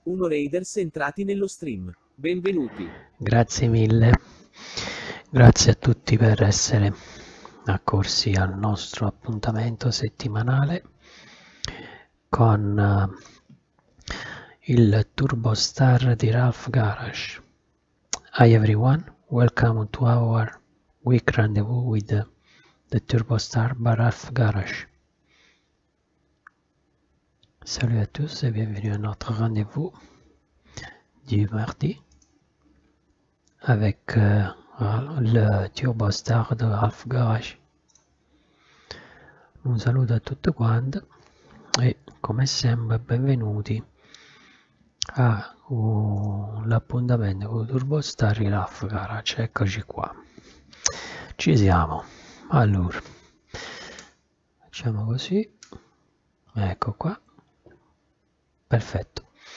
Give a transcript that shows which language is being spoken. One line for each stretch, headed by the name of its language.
Italian: 1 raiders entrati nello stream. Benvenuti. Grazie mille. Grazie a tutti per essere accorsi al nostro appuntamento settimanale. Con il Turbo Star di Ralph Garage.
English: Hi everyone, welcome to our week rendezvous with the Turbo Star by Ralph Garage.
French: Salut à tous et bienvenue à notre rendez-vous du mardi avec le Turbo Star de Ralph Garage.
Italian: Un saluto a tutti quanti. E come sempre benvenuti a l'appuntamento con Turbo Star Raf Garage. Eccoci qua, ci siamo. Allora facciamo così, ecco qua, perfetto.